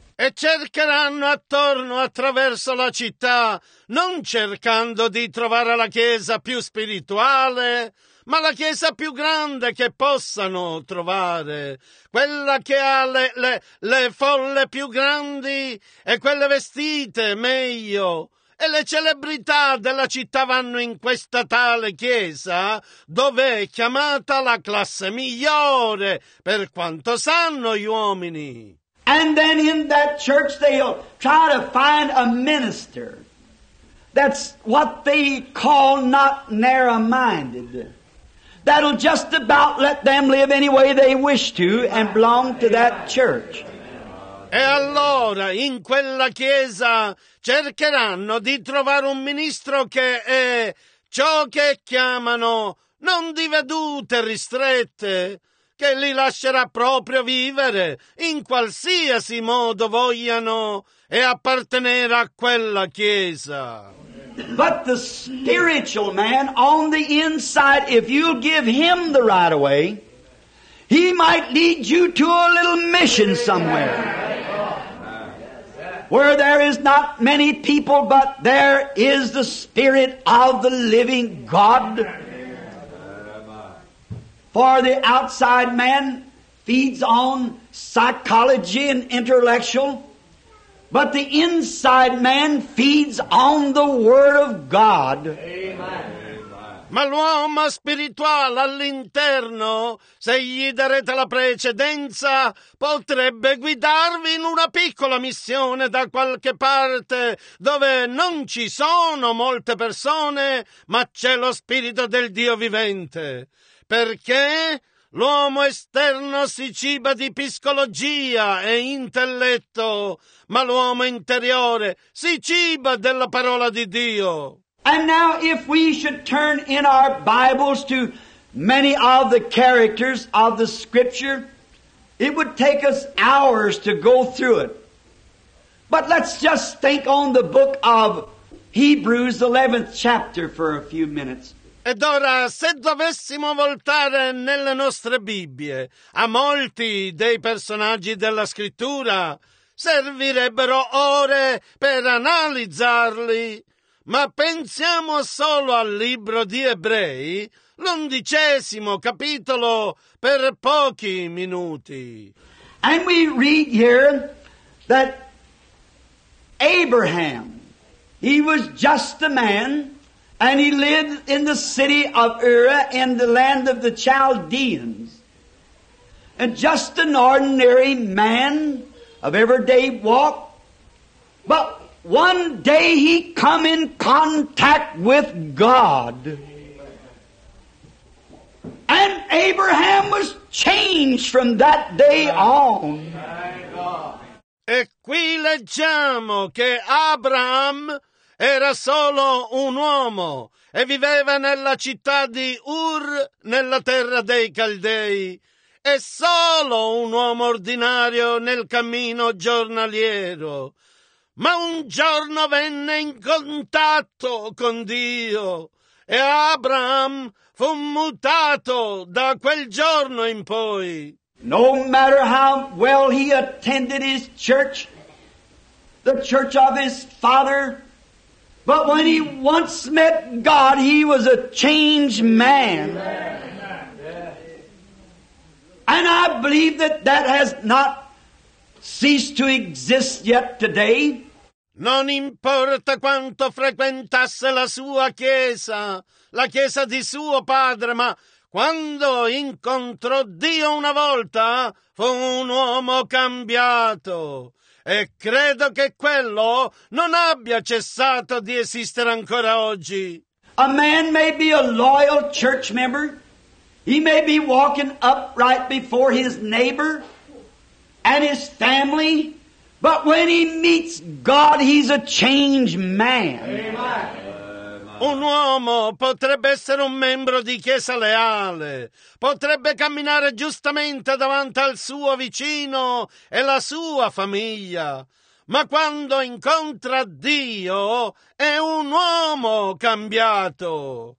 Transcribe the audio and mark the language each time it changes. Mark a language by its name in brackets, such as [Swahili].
[Italian] E cercheranno attorno attraverso la città non cercando di trovare la chiesa più spirituale ma la chiesa più grande che possano trovare, quella che ha le folle più grandi e quelle vestite meglio. E le celebrità della città vanno in questa tale chiesa dove è chiamata la classe migliore, per quanto sanno gli uomini. [English] And then in that church they'll try to find a minister. That's what they call not narrow-minded. That'll just about let them live any way they wish to and belong to that church. [Italian] E allora in quella chiesa cercheranno di trovare un ministro che è ciò che chiamano non di vedute ristrette, che li lascerà proprio vivere in qualsiasi modo vogliano e appartenere a quella chiesa. [English] But the spiritual man on the inside, if you'll give him the right of way, he might lead you to a little mission somewhere. Where there is not many people, but there is the Spirit of the living God. For the outside man feeds on psychology and intellectual. But the inside man feeds on the Word of God. [Italian] Ma l'uomo spirituale all'interno, se gli darete la precedenza, potrebbe guidarvi in una piccola missione da qualche parte dove non ci sono molte persone, ma c'è lo Spirito del Dio vivente. Perché L'uomo esterno si ciba di psicologia e intelletto, ma l'uomo interiore si ciba della parola di Dio. [English] And now if we should turn in our Bibles to many of the characters of the Scripture, it would take us hours to go through it. But let's just think on the book of Hebrews, 11th chapter, for a few minutes. [Italian] Ed ora, se dovessimo voltare nelle nostre Bibbie a molti dei personaggi della Scrittura, servirebbero ore per analizzarli. Ma pensiamo solo al libro di Ebrei, l'undicesimo capitolo, per pochi minuti. [English] And we read here that Abraham, he was just a man, and he lived in the city of Ur in the land of the Chaldeans. And just an ordinary man of everyday walk. But one day he come in contact with God. And Abraham was changed from that day on. [Italian] E qui leggiamo che Abraham era solo un uomo e viveva nella città di Ur, nella terra dei Caldei. E solo un uomo ordinario nel cammino giornaliero. Ma un giorno venne in contatto con Dio e Abraham fu mutato da quel giorno in poi. [English] No matter how well he attended his church, the church of his father, but when he once met God, he was a changed man. And I believe that that has not ceased to exist yet today. [Italian] Non importa quanto frequentasse la sua chiesa, la chiesa di suo padre, ma quando incontrò Dio una volta, fu un uomo cambiato. E credo che quello non abbia cessato di esistere ancora oggi. [English] A man may be a loyal church member. He may be walking upright before his neighbor and his family. But when he meets God, he's a changed man. Amen. [Italian] Un uomo potrebbe essere un membro di chiesa leale, potrebbe camminare giustamente davanti al suo vicino e la sua famiglia, ma quando incontra Dio è un uomo cambiato.